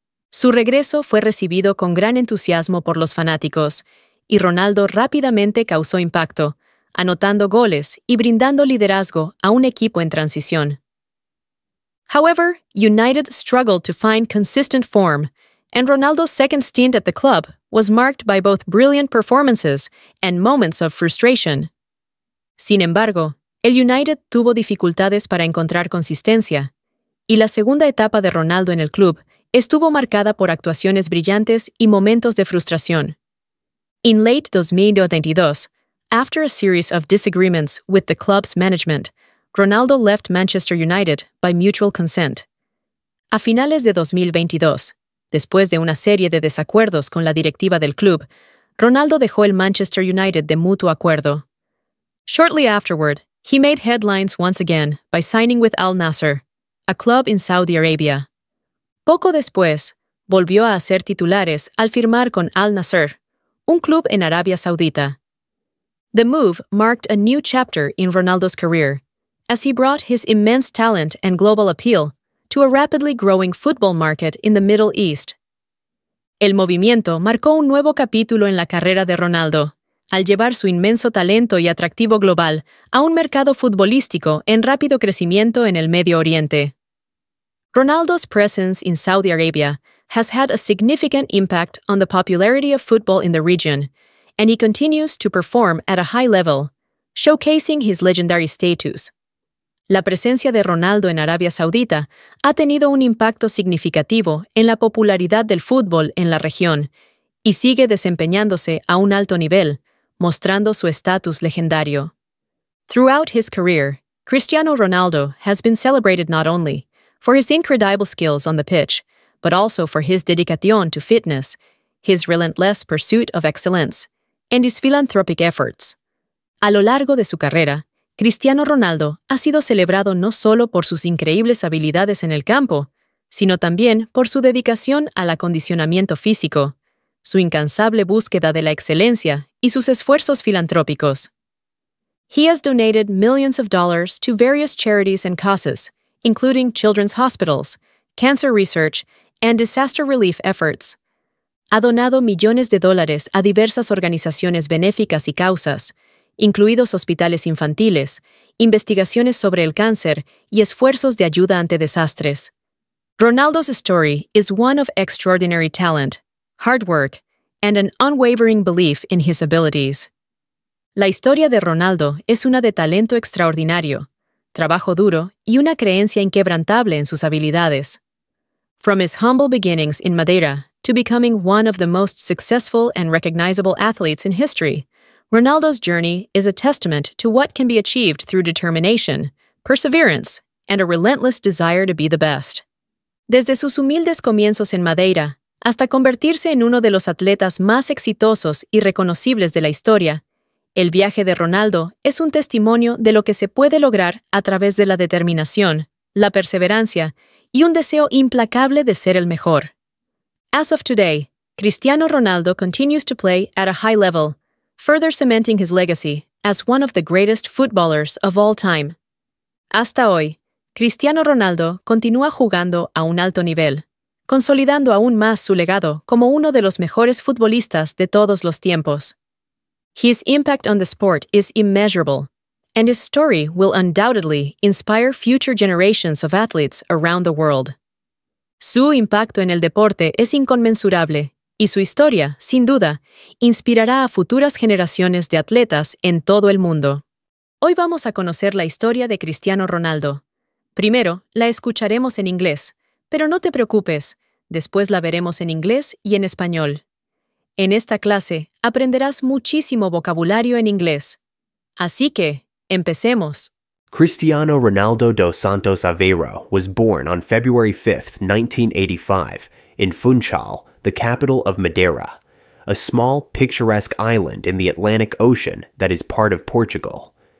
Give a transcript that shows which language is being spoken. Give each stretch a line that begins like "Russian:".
Spanish: Su regreso fue recibido con gran entusiasmo por los fanáticos, y Ronaldo rápidamente causó impacto, anotando goles y brindando liderazgo a un equipo en transición.
English: However, United struggled to find consistent form, and Ronaldo's second stint at the club was marked by both brilliant performances and moments of frustration.
Spanish: Sin embargo, el United tuvo dificultades para encontrar consistencia, y la segunda etapa de Ronaldo en el club estuvo marcada por actuaciones brillantes y momentos de frustración.
English: In late 2022, after a series of disagreements with the club's management, Ronaldo left Manchester United by mutual consent.
Spanish: A finales de 2022, después de una serie de desacuerdos con la directiva del club, Ronaldo dejó el Manchester United de mutuo acuerdo.
English: Shortly afterward, he made headlines once again by signing with Al Nassr, a club in Saudi Arabia.
Spanish: Poco después, volvió a hacer titulares al firmar con Al Nassr, un club en Arabia Saudita.
English: The move marked a new chapter in Ronaldo's career, as he brought his immense talent and global appeal to a rapidly growing football market in the Middle East.
Spanish: El movimiento marcó un nuevo capítulo en la carrera de Ronaldo, al llevar su inmenso talento y atractivo global a un mercado futbolístico en rápido crecimiento en el Medio Oriente.
English: Ronaldo's presence in Saudi Arabia has had a significant impact on the popularity of football in the region, and he continues to perform at a high level, showcasing his legendary status.
Spanish: La presencia de Ronaldo en Arabia Saudita ha tenido un impacto significativo en la popularidad del fútbol en la región y sigue desempeñándose a un alto nivel, mostrando su estatus legendario.
English: Throughout his career, Cristiano Ronaldo has been celebrated not only for his incredible skills on the pitch, but also for his dedication to fitness, his relentless pursuit of excellence, and his philanthropic efforts.
Spanish: A lo largo de su carrera, Cristiano Ronaldo ha sido celebrado no solo por sus increíbles habilidades en el campo, sino también por su dedicación al acondicionamiento físico, su incansable búsqueda de la excelencia y sus esfuerzos filantrópicos.
English: He has donated millions of dollars to various charities and causes, including children's hospitals, cancer research, and disaster relief efforts.
Spanish: Ha donado millones de dólares a diversas organizaciones benéficas y causas, incluidos hospitales infantiles, investigaciones sobre el cáncer y esfuerzos de ayuda ante desastres.
English: Ronaldo's story is one of extraordinary talent, hard work, and an unwavering belief in his abilities.
Spanish: La historia de Ronaldo es una de talento extraordinario, trabajo duro y una creencia inquebrantable en sus habilidades.
English: From his humble beginnings in Madeira to becoming one of the most successful and recognizable athletes in history, Ronaldo's journey is a testament to what can be achieved through determination, perseverance, and a relentless desire to be the best.
Spanish: Desde sus humildes comienzos en Madeira hasta convertirse en uno de los atletas más exitosos y reconocibles de la historia, el viaje de Ronaldo es un testimonio de lo que se puede lograr a través de la determinación, la perseverancia y un deseo implacable de ser el mejor.
English: As of today, Cristiano Ronaldo continues to play at a high level, further cementing his legacy as one of the greatest footballers of all time.
Spanish: Hasta hoy, Cristiano Ronaldo continúa jugando a un alto nivel, consolidando aún más su legado como uno de los mejores futbolistas de todos los tiempos.
English: His impact on the sport is immeasurable, and his story will undoubtedly inspire future generations of athletes around the world.
Spanish: Su impacto en el deporte es inconmensurable, y su historia, sin duda, inspirará a futuras generaciones de atletas en todo el mundo. Hoy vamos a conocer la historia de Cristiano Ronaldo. Primero, la escucharemos en inglés, pero no te preocupes, después la veremos en inglés y en español. En esta clase, aprenderás muchísimo vocabulario en inglés. Así que, empecemos.
English: Cristiano Ronaldo dos Santos Aveiro was born on February 5, 1985, in Funchal, the capital of Madeira, a small, picturesque island in the Atlantic Ocean that is part of Portugal.